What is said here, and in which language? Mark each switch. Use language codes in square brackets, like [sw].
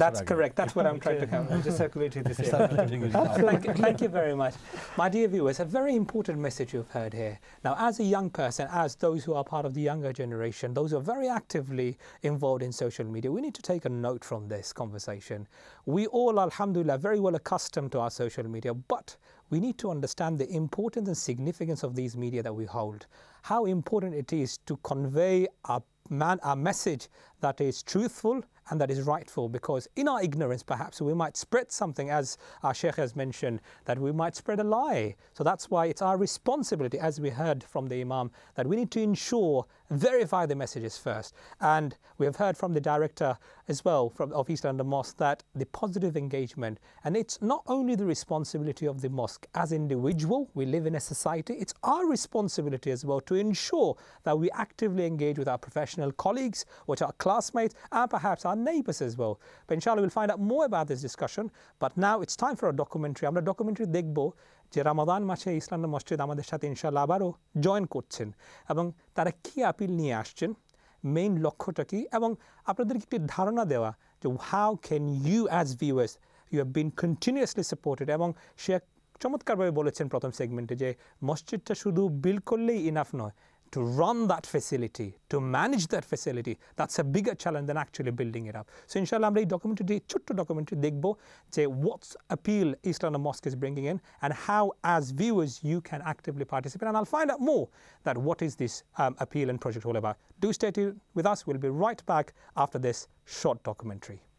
[en] That's correct that's what I am trying to come just circulate this thank you very much my dear viewers a very important message you have heard here now as a young person as those who are part of the younger generation those who are very actively involved in social media we need to take a note from this conversation we all আলহামদুলিল্লাহ very well accustomed to our social media but We need to understand the importance and significance of these media that we hold. How important it is to convey a message that is truthful and that is rightful. Because in our ignorance, perhaps, we might spread something, as our Sheikh has mentioned, that we might spread a lie. So that's why it's our responsibility, as we heard from the Imam, that we need to ensure, verify the messages first. And we have heard from the director as well of East London Mosque that the positive engagement, and it's not only the responsibility of the mosque as individual, we live in a society, it's our responsibility as well to ensure that we actively engage with our professional colleagues, with our classmates, and perhaps our neighbours as well. But inshallah, we'll find out more about this discussion. But now it's time for a documentary. I'm the documentary Digbo. [bn] যে রমাদান মাসে ইসলামের মসজিদ আমাদের সাথে ইনশাআল্লাহ আবারও join করছেন এবং তারা কী আপিল নিয়ে আসছেন মেইন লক্ষ্যটা কী এবং আপনাদের একটি ধারণা দেওয়া যে [en] how can you as viewers you have been continuously supported [bn] এবং সে চমৎকারভাবে বলেছেন প্রথম সেগমেন্টে যে মসজিদটা শুধু বিল করলেই ইনাফ নয় [en] to run that facility to manage that facility that's a bigger challenge than actually building it up so ইনশাল্লাহ [bn] আমরা এই ডকুমেন্টারি ছোট্ট ডকুমেন্টারি দেখবো যে [en] what's appeal Islam mosque is bringing in and how as viewers you can actively participate and all find out more that what is this appeal and project all about do stay tuned with us will be right back after this short documentary